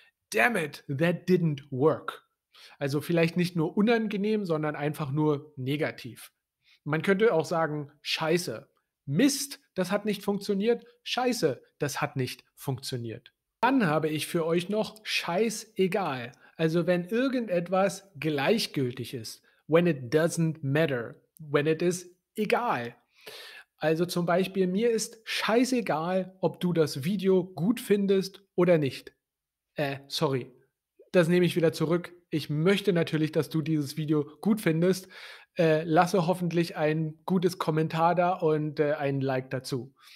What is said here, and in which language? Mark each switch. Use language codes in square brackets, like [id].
[en] Damn it, that didn't work. [de] Also vielleicht nicht nur unangenehm, sondern einfach nur negativ. Man könnte auch sagen, scheiße. Mist, das hat nicht funktioniert. Scheiße, das hat nicht funktioniert. Dann habe ich für euch noch scheißegal. Also wenn irgendetwas gleichgültig ist. [en] When it doesn't matter, when it is egal. [de] Also zum Beispiel, mir ist scheißegal, ob du das Video gut findest oder nicht. Sorry, das nehme ich wieder zurück. Ich möchte natürlich, dass du dieses Video gut findest. Lasse hoffentlich ein gutes Kommentar da und ein Like dazu.